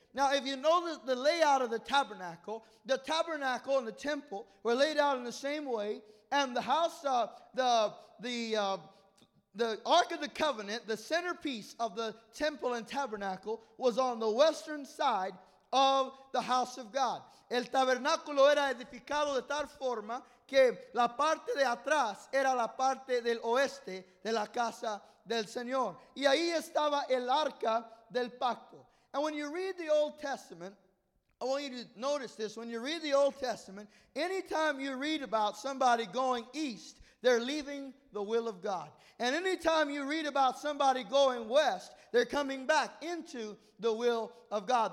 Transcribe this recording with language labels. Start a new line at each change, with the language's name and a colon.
English: Now, if you know the layout of the tabernacle and the temple were laid out in the same way, and the house, the Ark of the Covenant, the centerpiece of the temple and tabernacle, was on the western side of the house of God.
Spanish: El tabernáculo era edificado de tal forma que la parte de atrás era la parte del oeste de la casa del Señor. Y ahí estaba el arca del pacto.
English: And when you read the Old Testament, I want you to notice this. When you read the Old Testament, anytime you read about somebody going east, they're leaving the will of God. And anytime you read about somebody going west, they're coming back into the will of God.